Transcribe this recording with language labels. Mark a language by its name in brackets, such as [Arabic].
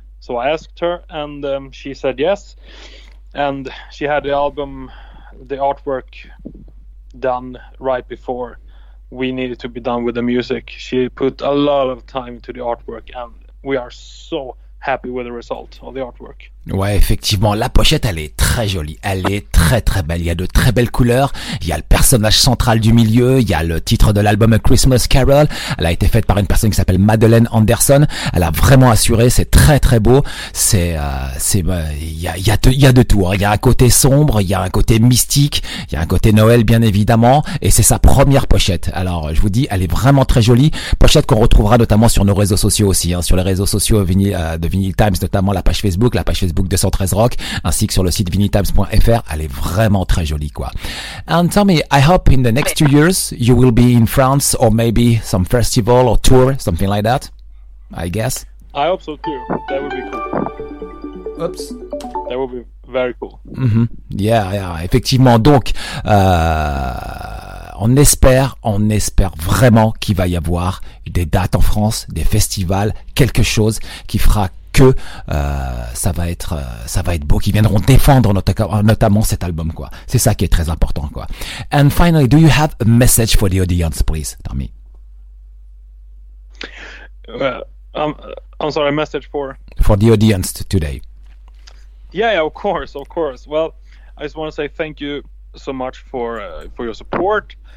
[English] So I asked her, and she said yes. And she had the album, the artwork done right before we needed to be done with the music. She put a lot of time into the artwork, and we are so happy with the result of the artwork. [French] Ouais, effectivement, la pochette, elle est très jolie. Elle est très très belle. Il y a de très belles couleurs. Il y a le personnage central du milieu. Il y a le titre de l'album, A Christmas Carol. Elle a été faite par une personne qui s'appelle Madeleine Anderson. Elle a vraiment assuré. C'est très très beau. Il y a de tout. Il y a un côté sombre. Il y a un côté mystique. Il y a un côté Noël, bien évidemment. Et c'est sa première pochette. Alors, je vous dis, elle est vraiment très jolie. Pochette qu'on retrouvera notamment sur nos réseaux sociaux aussi, hein. Sur les réseaux sociaux de Vinyl Times, notamment la page Facebook. La page Facebook 213 Rock, ainsi que sur le site vinytimes.fr. Elle est vraiment très jolie, quoi. [English] And tell me, I hope in the next 2 years you will be in France, or maybe some festival or tour, something like that, I guess. I hope so too. That would be cool. Oops. That would be very cool. Mm-hmm. Yeah, yeah, [French] effectivement. Donc, on espère vraiment qu'il va y avoir des dates en France, des festivals, quelque chose qui fera que ça va être beau, qui viendront défendre notamment cet album, quoi. C'est ça qui est très important, quoi. [English] And finally, do you have a message for the audience, please, Tommy? I'm sorry, a message for the audience today. Yeah, of course. Well, I just want to say thank you so much for your support.